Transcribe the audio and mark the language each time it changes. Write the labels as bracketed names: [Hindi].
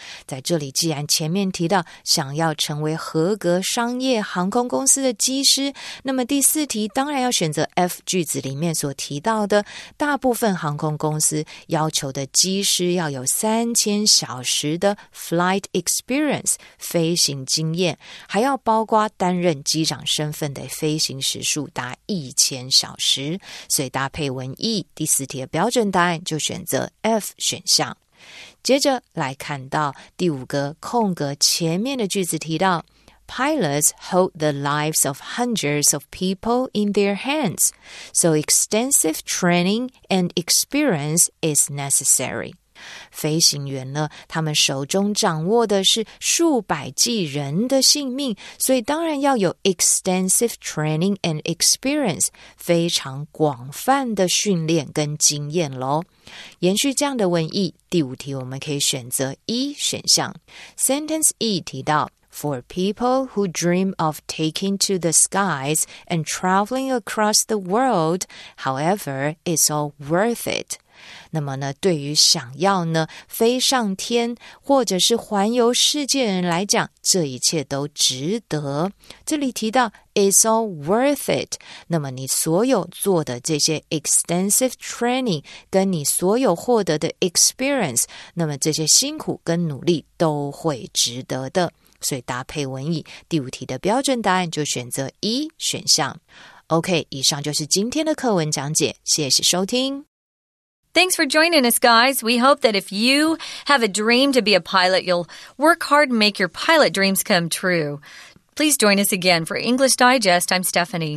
[Chinese] 在这里既然前面提到想要成为合格商业航空公司的机师，那么第四题当然要选择 F 句子里面所提到的大部分航空公司要求的机师要有3000小时的 flight experience 飞行经验，还要包括担任机长身份的飞行时数达1000小时，所以搭配文意，第四题的标准答案就选择 F 选项。接着来看到第五个空格前面的句子提到 [English] Pilots hold the lives of hundreds of people in their hands, so extensive training and experience is necessary. [Chinese] 飞行员呢，他们手中掌握的是数百计人的性命，所以当然要有 [English] extensive training and experience, [Chinese] 非常广泛的训练跟经验咯。延续这样的文意，第五题我们可以选择 E 选项。 [English] Sentence E [Chinese] 提到 [English] For people who dream of taking to the skies and traveling across the world, however, it's all worth it. [Chinese] 那么呢，对于想要呢飞上天或者是环游世界人来讲，这一切都值得。这里提到 [English] it's all worth it. [Chinese] 那么你所有做的这些 [English] extensive training [Chinese] 跟你所有获得的 experience, 那么这些辛苦跟努力都会值得的。所以搭配文意，第五题的标准答案就选择 E 选项。 OK, 以上就是今天的课文讲解，谢谢收听。 [English] Thanks for joining us, guys. We hope that if you have a dream to be a pilot, you'll work hard and make your pilot dreams come true. Please join us again for English Digest. I'm Stephanie.